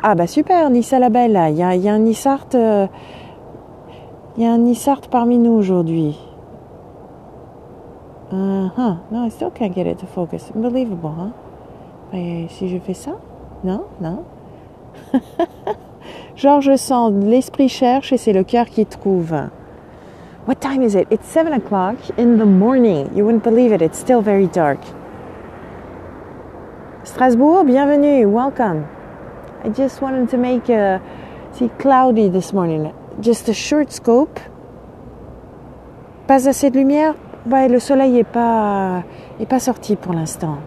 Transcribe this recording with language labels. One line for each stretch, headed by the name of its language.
French: Ah bah super, Nice à la belle. Il y a un Nissart parmi nous aujourd'hui.
English: No, I still can't get it to focus. Unbelievable, hein?
French: Mais si je fais ça? Non. George Sand, l'esprit cherche et c'est le cœur qui trouve.
English: What time is it? It's 7 o'clock in the morning. You wouldn't believe it. It's still very dark. Strasbourg, bienvenue. Welcome. I just wanted to make cloudy this morning. Just a short scope.
French: Pas assez de lumière. Ouais, le soleil est pas sorti pour l'instant.